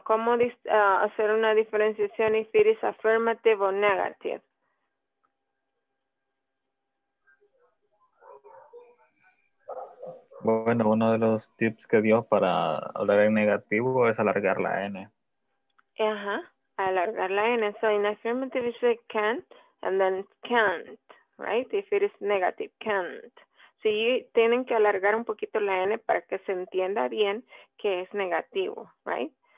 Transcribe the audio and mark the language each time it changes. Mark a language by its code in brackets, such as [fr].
[es] ¿Cómo hacer una diferenciación [en] if it is affirmative [es] o negative? Bueno, uno de los tips que dio para hablar en negativo es alargar la N. Ajá, alargar la N. [en] So in affirmative you say can't and then can't, right? If it is negative, can't. [es] Sí, tienen que alargar un poquito la N para que se entienda bien que es negativo, right?